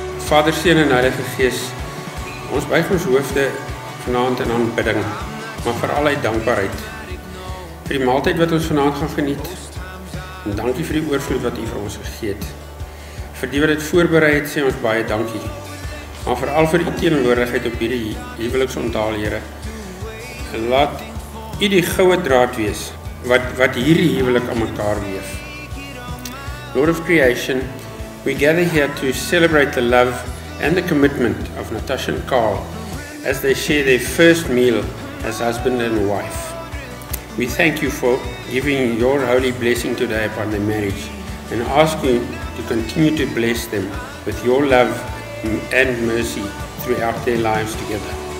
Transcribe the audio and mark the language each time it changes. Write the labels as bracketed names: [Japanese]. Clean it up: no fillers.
[Afrikaans] Vader, Seun en Heilige Gees, ons buig ons hoofde vanavond in aanbidding, maar vooral uit dankbaarheid. Vir die maaltijd wat ons vanavond gaan geniet, en dankie vir die oorvloed wat U vir ons gegee het. Vir die wat het voorbereid het, sê ons baie dankie. Maar vooral vir die teenwoordigheid op hierdie huweliks onthaal, Here. Laat U die goue draad wees, wat hierdie huwelik aan mekaar weef. [English] Lord of Creation, we gather here to celebrate the love and the commitment of Natasha and Carl as they share their first meal as husband and wife. We thank you for giving your holy blessing today upon their marriage and ask you to continue to bless them with your love and mercy throughout their lives together.